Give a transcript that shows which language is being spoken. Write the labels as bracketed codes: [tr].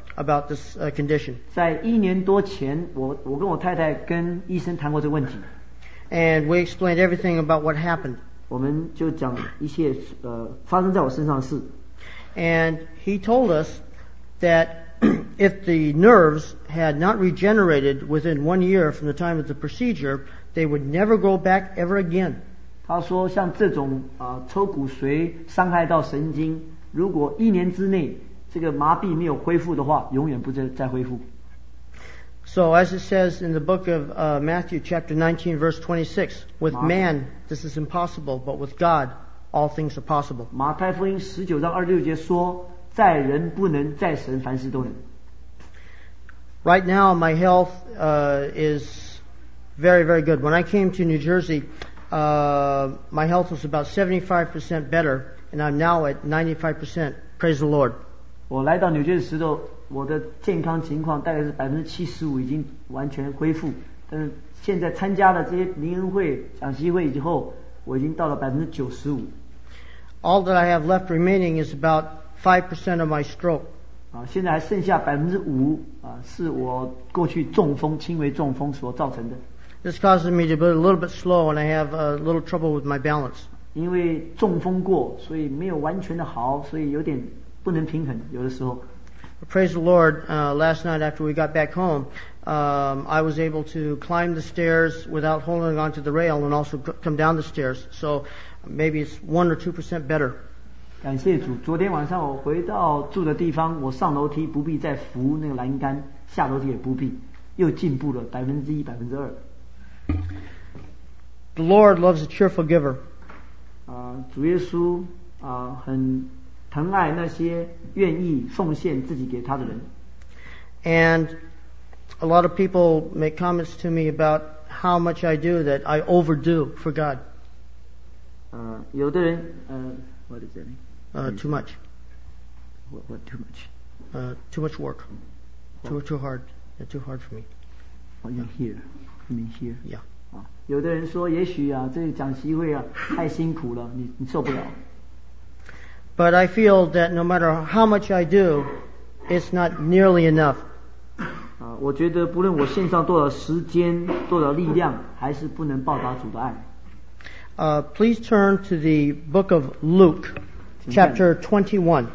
[en] About this condition. [zh] 在一年多前，我跟我太太跟医生谈过这个问题。 [en] And we explained everything about what happened. [zh] 我们就讲一些发生在我身上的事。 [en] And he told us that if the nerves had not regenerated within 1 year from the time of the procedure, they would never grow back ever again. [zh] 他说像这种抽骨髓伤害到神经，如果一年之内这个麻痹没有恢复的话，永远不再恢复。 [en] So as it says in the book of Matthew chapter 19 verse 26, with man this is impossible, but with God all things are possible. [zh] 马太福音十九章二十六节说，在人不能，在神凡事都能。 [en] Right now my health is very very good. When I came to New Jersey, my health was about 75% better, and I'm now at 95%. Praise the Lord. [zh] 我来到纽约的时候，我的健康情况大概是75%已经完全恢复，但是现在参加了这些灵恩会、讲习会以后，我已经到了95%。 [en] All that I have left remaining is about 5% of my stroke. [zh] 现在还剩下5%是我过去中风、轻微中风所造成的。 [en] This causes me to be a little bit slow, and I have a little trouble with my balance. [zh] 因为中风过，所以没有完全的好，所以有点。不能平衡，有的时候。 [en] Praise the Lord, last night after we got back home, I was able to climb the stairs without holding onto the rail and also come down the stairs. So maybe it's 1-2% better. [zh] 感谢主，昨天晚上我回到住的地方，我上楼梯不必再扶那个栏杆，下楼梯也不必，又进步了1%-2%。 [en] The Lord loves a cheerful giver. [zh] 主耶稣很。疼爱那些愿意奉献自己给他的人。 [en] And a lot of people make comments to me about how much I do that I overdo for God. [zh] 有的人 [en] what is that? Too much. What too much? Too much work. Too hard. Yeah, too hard for me. Oh, you're here. You mean here? Yeah. [zh] 有的人说也许啊这个讲习会啊太辛苦了 你受不了。 [en] But I feel that no matter how much I do, it's not nearly enough. [zh] 我觉得不论我献上多少时间多少力量还是不能报答主的爱。 [en] Please turn to the book of Luke, chapter 21.